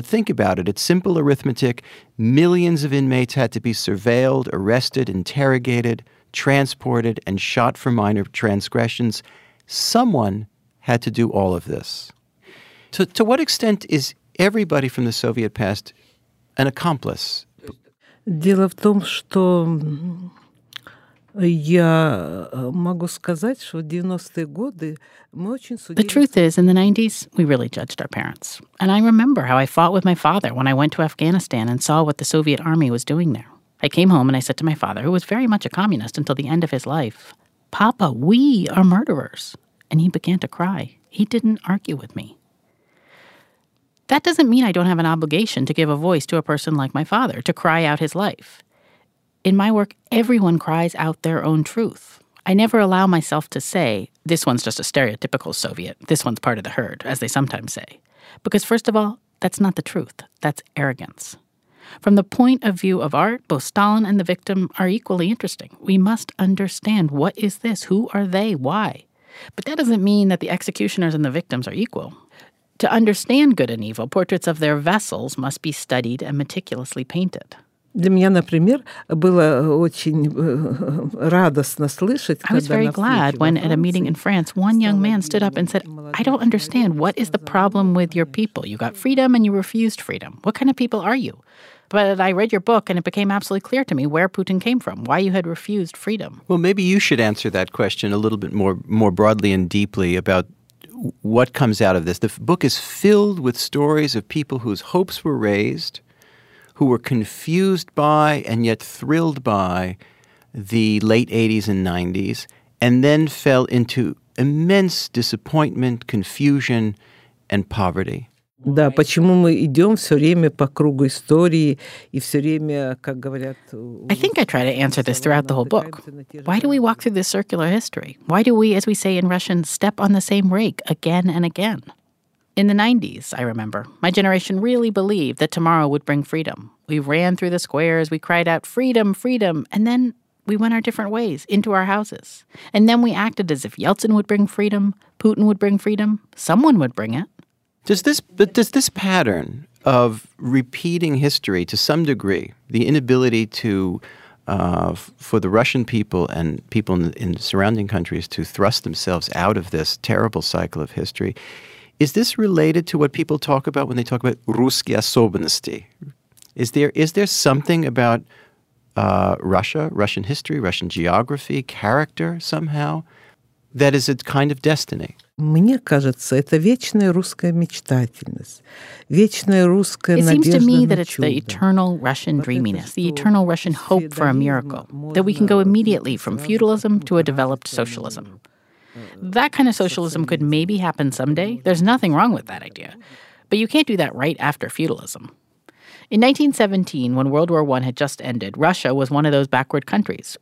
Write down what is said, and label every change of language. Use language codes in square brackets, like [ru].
[en] But think about it. It's simple arithmetic. Millions of inmates had to be surveilled, arrested, interrogated, transported, and shot for minor transgressions. Someone had to do all of this. To what extent is everybody from the Soviet past an accomplice? [ru] Дело в том, что я могу сказать, что в 90-е годы мы очень судили. [en] The truth is, in the 90s, we really judged our parents. And I remember how I fought with my father when I went to Afghanistan and saw what the Soviet army was doing there. I came home and I said to my father, who was very much a communist until the end of his life, Papa, we are murderers. And he began to cry. He didn't argue with me. That doesn't mean I don't have an obligation to give a voice to a person like my father, to cry out his life. In my work, everyone cries out their own truth. I never allow myself to say, this one's just a stereotypical Soviet, this one's part of the herd, as they sometimes say. Because first of all, that's not the truth. That's arrogance. From the point of view of art, both Stalin and the victim are equally interesting. We must understand, what is this? Who are they? Why? But that doesn't mean that the executioners and the victims are equal. To understand good and evil, portraits of their vessels must be studied and meticulously painted. [ru] Для меня, например, было очень радостно слышать, когда [en] I was very glad when at a meeting in France, one young man stood up and said, I don't understand, what is the problem with your people? You got freedom and you refused freedom. What kind of people are you? But I read your book and it became absolutely clear to me where Putin came from, why you had refused freedom. Well, maybe you should answer that question a little bit more broadly and deeply about what comes out of this. The book is filled with stories of people whose hopes were raised, who were confused by and yet thrilled by the late 80s and 90s, and then fell into immense disappointment, confusion, and poverty. [ru] Да, почему мы идем все время по кругу истории и все время, как говорят... [en] I think I try to answer this throughout the whole book. Why do we walk through this circular history? Why do we, as we say in Russian, step on the same rake again and again? In the 90s, I remember, my generation really believed that tomorrow would bring freedom. We ran through the squares, we cried out, freedom, freedom, and then we went our different ways, into our houses. And then we acted as if Yeltsin would bring freedom, Putin would bring freedom, someone would bring it. Does this pattern of repeating history to some degree, the inability to for the Russian people and people in surrounding countries to thrust themselves out of this terrible cycle of history. Is this related to what people talk about when they talk about Ruskiy osobnosti? Is there something about Russia, Russian history, Russian geography, character somehow, that is a kind of destiny? [ru] Мне кажется, это вечная русская мечтательность, вечная русская надежда на чудо. [en] It seems to me that it's the eternal Russian dreaminess, the eternal Russian hope for a miracle, that we can go immediately from feudalism to a developed socialism. That kind of socialism could maybe happen someday. There's nothing wrong with that idea. But you can't do that right after feudalism. In 1917, when World War I had just ended, Russia was one of those backward countries.